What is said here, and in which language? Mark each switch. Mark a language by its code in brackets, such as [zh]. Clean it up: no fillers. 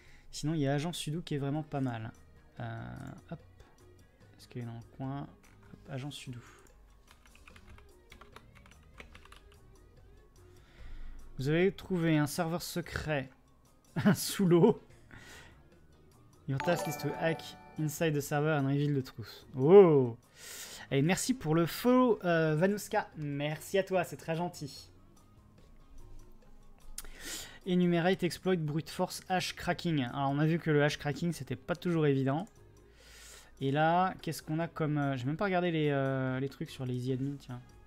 [fr] Sinon, il y a Agent Sudo qui est vraiment pas mal. Hop. Est-ce qu'il est dans le coin? Hop, Agent Sudo. Vous avez trouvé un serveur secret sous l'eau. [en] Your task is to hack inside the server and reveal the truth. Oh! [fr] Et merci pour le follow, Vanuska. Merci à toi, c'est très gentil. [en] Enumerate, exploit, brute force, hash cracking. [fr] Alors, on a vu que le hash cracking, c'était pas toujours évident. Et là, qu'est-ce qu'on a comme... J'ai même pas regardé les trucs sur Lazy Admin, tiens.